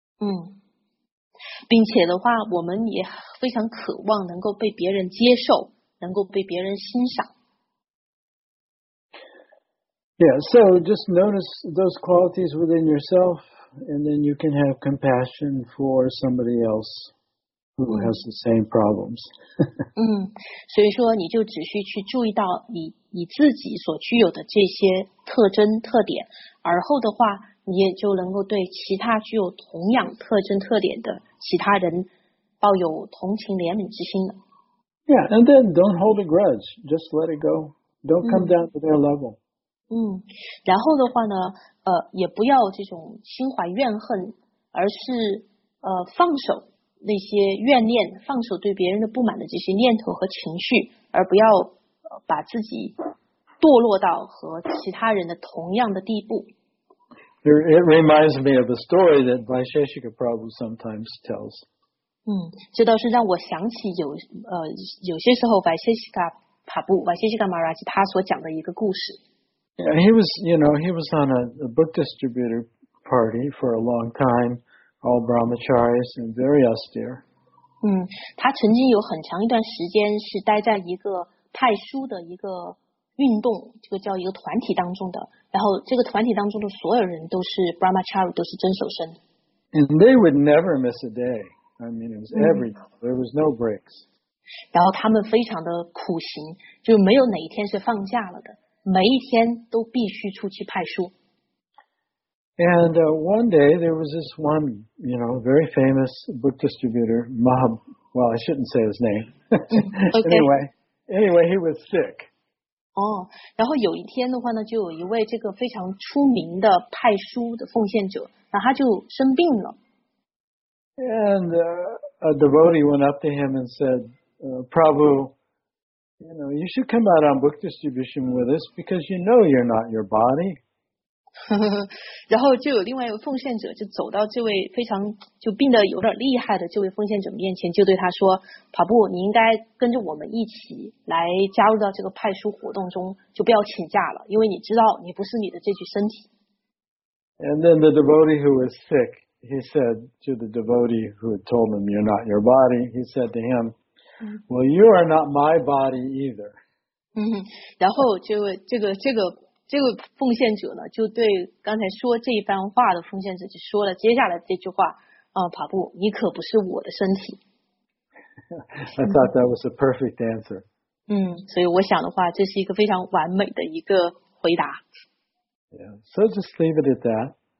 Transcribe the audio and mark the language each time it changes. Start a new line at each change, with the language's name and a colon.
Chinese: 嗯，并且的话，我们也非常渴望能够被别人接受，能够被别人欣赏。
English: Yeah, so just notice those qualities within yourself, and then you can have compassion for somebody else who has the same problems.
Chinese: 嗯，所以说你就只需去注意到你自己所具有的这些特征特点，而后的话，你也就能够对其他具有同样特征特点的其他人抱有同情怜悯之心了。
English: Yeah, and then don't hold a grudge. Just let it go. Don't come down to their level.
Chinese: 嗯，然后的话呢，也不要这种心怀怨恨，而是放手那些怨念，放手对别人的不满的这些念头和情绪，而不要把自己堕落到和其他人的同样的地步。
English: It reminds me of a story that Vaisheshika Prabhu sometimes tells.
Chinese: 嗯，这倒是让我想起有些时候Vaisheshika Maharaj 他所讲的一个故事。
English: Yeah, he was on a book distributor party for a long time, all brahmacharis and very austere.
Chinese: 嗯，他曾经有很长一段时间是待在一个派书的一个运动，这个叫一个团体当中的。然后这个团体当中的所有人都是 brahmachari， 都是真守僧。
English: And they would never miss a day. I mean, it was every day. There was no breaks.
Chinese: 然后他们非常的苦行，就没有哪一天是放假了的，每一天都必须出去派书。
English: And one day there was this one, you know, very famous book distributor, Mahab. Well, I shouldn't say his name. Okay. Anyway, he was sick.
Chinese: 哦，然后有一天的话呢，就有一位这个非常出名的派书的奉献者，那他就生病了。
English: And a devotee went up to him and said, Prabhu, you know, you should come out on book distribution with us because you know you're not your body.
Chinese: 然后就有另外一位奉献者就走到这位非常就病得有点厉害的这位奉献者面前，就对他说，跑步，你应该跟着我们一起来加入到这个派书活动中，就不要请假了，因为你知道你不是你的这具身体。
English: And then the devotee who was sick, he said to the devotee who had told him you're not your body, he said to him, well, you are not my body either.
Chinese: 然后这个奉献者呢，就对刚才说这一番话的奉献者就说了接下来这句话，跑步，你可不是我的身体。
English: I thought that was a perfect answer.
Chinese: 所以我想的话，这是一个非常完美的一个回答。
English: Yeah, so just leave it at that.